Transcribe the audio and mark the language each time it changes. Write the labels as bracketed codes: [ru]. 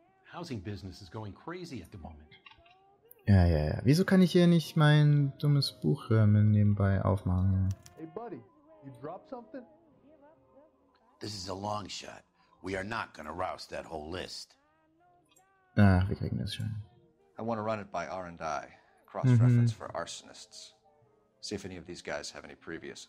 [en] Housing business is going crazy at the moment. [de] Ja. Wieso kann ich hier nicht mein dummes Buch nebenbei aufmachen? [en] Hey buddy, you dropped something? This is a long shot. We are not going to rouse that whole list. [de] Ah, wir kriegen das schon. [en] I want to run it by R&I. Cross-reference for arsonists. See if any of these guys have any previous.